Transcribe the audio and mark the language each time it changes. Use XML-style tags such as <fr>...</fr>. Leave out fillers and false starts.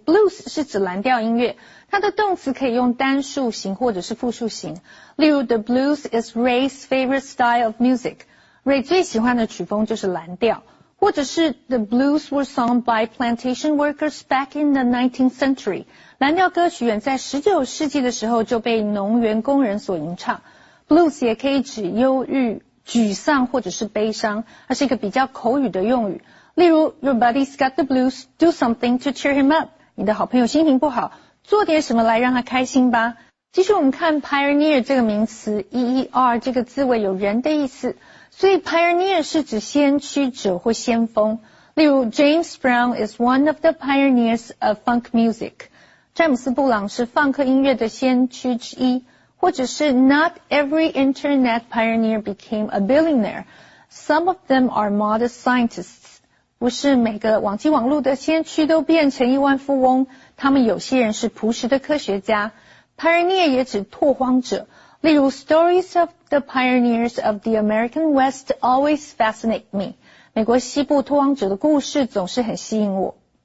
<zh>blues 是指蓝调音乐，它的动词可以用单数型或者是复数型。例如</zh> <en>,the blues is Ray's favorite style of music.</en> <zh>Ray 最喜欢的曲风就是蓝调。或者是</zh> <en>,the blues were sung by plantation workers back in the 19th century.</en> <zh>蓝调歌曲远在19世纪的时候就被农园工人所吟唱。 blues 也可以指忧郁沮丧或者是悲伤，它是一个比较口语的用语。例如</zh> <en>,Your buddy's got the blues, do something to cheer him up.</en> <zh>你的好朋友心情不好，做点什么来让他开心吧。继续我们看 pioneer 这个名词 ,E-E-R 这个字尾有人的意思。所以 pioneer 是指先驱者或先锋。例如</zh> <en>,James Brown is one of the pioneers of funk music.</en> <zh>詹姆斯布朗是放克音乐的先驱之一。或者是</zh> <en>not every internet pioneer became a billionaire. Some of them are modest scientists.</en> <zh>不是每个网际网络的先驱都变成亿万富翁，他们有些人是朴实的科学家。 Pioneer 也指拓荒者。例如</zh> <en>stories of the pioneers of the American West always fascinate me.</en> <zh>美国西部拓荒者的故事总是很吸引我。</zh>